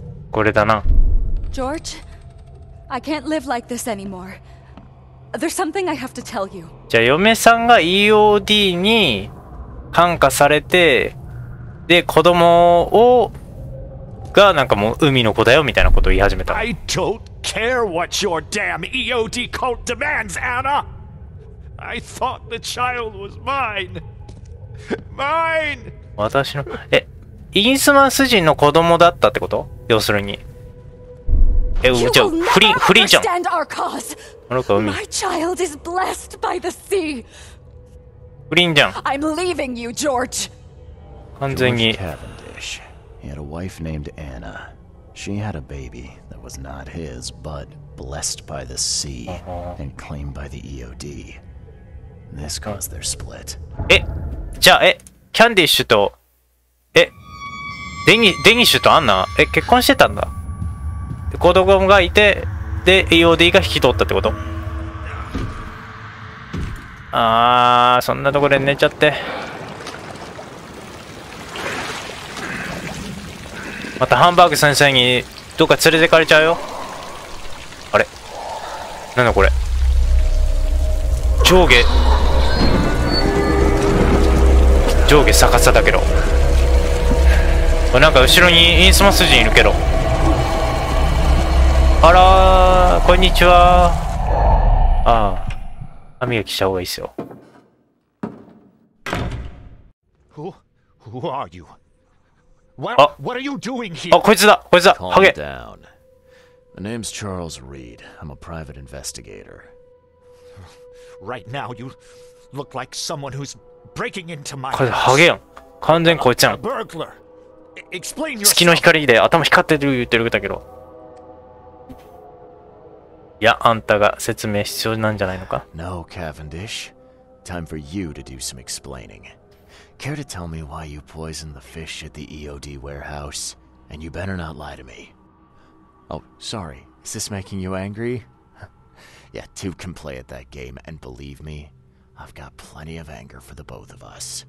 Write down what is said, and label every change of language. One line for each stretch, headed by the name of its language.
Japanese: これだな。
English: George, I can't live like this anymore. There's something I have to tell you.
Japanese: じゃあ嫁さんが EOD に感化されて、で子供をがなんかもう海の子だよみたいなことを言い始めた。
English: I don't care what your damn EOD cult demands, Anna! I thought the child was mine! Mine!
Japanese: 私の…え、インスマス人の子供だったってこと？要するに。え、うちは不倫じゃん。あの子は海。
English: My child is blessed by the sea.
Japanese: 不倫じゃん。
English: I'm leaving you, George.
Japanese: 完全に。
English: He had a wife named Anna. She had a baby that was not his, but blessed by the sea and claimed by the EOD. This caused their split.
Japanese: え、じゃあ、え、キャンディッシュと、え、デニッシュとアンナ、え、結婚してたんだ。で、子供がいて、で、EOD が引き取ったってこと。あー、そんなところで寝ちゃって。またハンバーグ先生にどっか連れてかれちゃうよ。あれ、なんだこれ、上下逆さだけど、なんか後ろにインスマス人いるけど、あらー、こんにちは。ああ、歯磨きした方がいいっすよ。
English: Who are you?
Japanese: あ、こいつだ、こいつだ、ハゲ。
English: The name's Charles Reed. I'm a private investigator. Right now, you look like someone who's breaking into my house.
Japanese: ハゲやん。完全こいつやん。
English: Burglar. Explain yourself.
Japanese: 月の光で頭光ってる言ってるだけど。いや、あんたが説明必要なんじゃないのか。
English: No, Cavendish. Time for you to do some explaining. Care to tell me why you poisoned the fish at the EOD warehouse? And you better not lie to me. Oh, sorry. Is this making you angry? Yeah, two can play at that game, and believe me, I've got plenty of anger for the both of us.